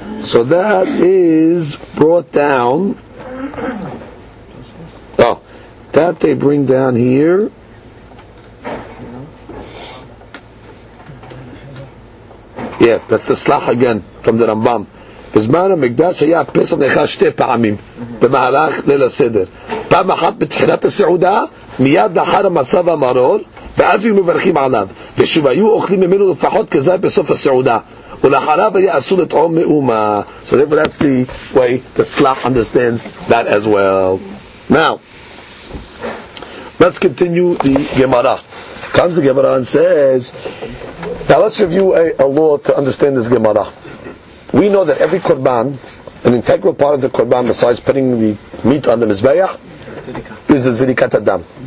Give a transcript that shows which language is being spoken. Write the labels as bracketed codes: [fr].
[en] So that is brought down. Oh, that they bring down here. Yeah, that's the Slach again from the Rambam. [he] בזמן המקדש היה פסח נאכל שתי פעמים במהלך ליל הסדר. פעם אחת בתחילת הסעודה, מיד לאחר המצב המרור, ואז היו מברכים עליו. ושוב היו אוכלים ממנו לפחות כזה בסוף הסעודה. ולאחריו היה אסור לטעום מאומה. [en] So that's the way the Slach understands that as well. Now, let's continue the Gemara. Comes the Gemara and says, now let's review a law to understand this Gemara. We know that every Qurban, an integral part of the Qurban besides putting the meat on the Mizbayah, is the Zirikat Adam.